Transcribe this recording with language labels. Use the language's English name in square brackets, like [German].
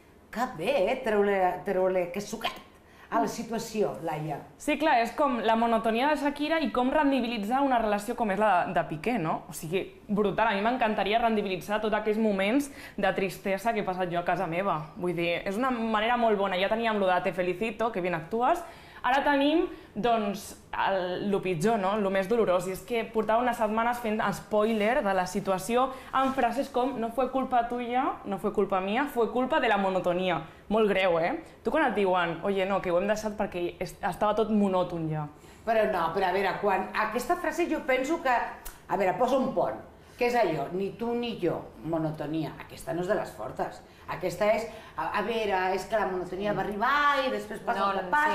[Catalan] Que bé, treure aquest suquet a la situació, Laia. Sí, clar, és com la monotonia de Shakira i com rendibilitzar una relació com és la de Piqué, no? O sigui, brutal, a mi m'encantaria rendibilitzar tots aquells moments de tristesa que he passat jo a casa meva. Vull dir, és una manera molt bona. Ja teníem lo de Te Felicito, que bien actúas. Ara tenim, doncs, el pitjor, no? El més dolorós. I és que portava unes setmanes fent spoiler de la situació amb frases com [Spanish] no fue culpa tuya, no fue culpa mía, fue culpa de la monotonia. [Catalan] Molt greu, eh? Tu quan et diuen, oye, no, que ho hem deixat perquè estava tot monòton ja. Però no, però a veure, quan aquesta frase jo penso que... A veure, posa un pont. Què és allò? Ni tu ni jo, monotonia. Aquesta no és de les fortes. Aquesta és, a veure, és que la monotonia va arribar i després passa el que passa.